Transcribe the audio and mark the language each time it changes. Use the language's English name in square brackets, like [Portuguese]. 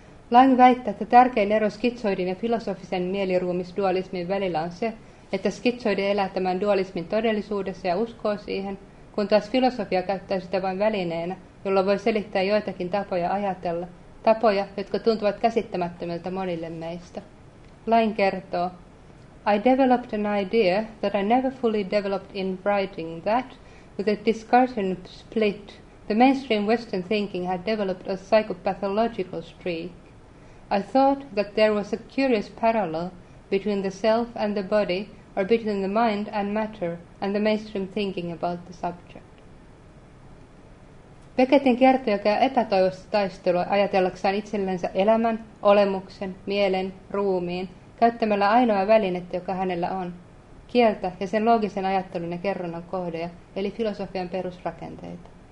[Finnish] Lange väittää, että tärkein ero skitsoidin ja filosofisen mieliruumisdualismin välillä on se, että skitsoidi elää tämän dualismin todellisuudessa ja uskoo siihen, kun taas filosofia käyttää sitä vain välineenä, jolla voi selittää joitakin tapoja ajatella, tapoja, jotka tuntuvat käsittämättömiltä monille meistä. Lange kertoo, [English] I developed an idea that I never fully developed in writing that, with a discussion split, the mainstream Western thinking had developed a psychopathological streak. I thought that there was a curious parallel between the self and the body, or between the mind and matter, and the mainstream thinking about the subject. [Finnish] Beckettin kertoja käy epätoivosta taistelua ajatellaksaan itsellensä elämän, olemuksen, mielen, ruumiin, käyttämällä ainoa välinettä, joka hänellä on, kieltä ja sen loogisen ajattelun ja kerronnan kohdeja, eli filosofian perusrakenteita.